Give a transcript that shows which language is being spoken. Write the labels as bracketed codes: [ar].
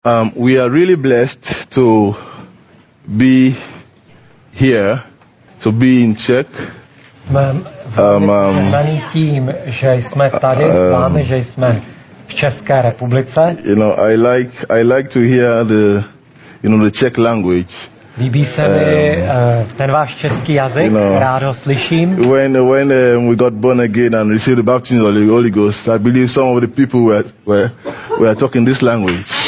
[en] We are really blessed to be here, to be in Czech. I like to hear the Czech language. [cs] Líbí se mi ten váš český jazyk, rád ho slyším. [en] When we got born again and received the baptism of the Holy Ghost, I believe some of the people were talking this language.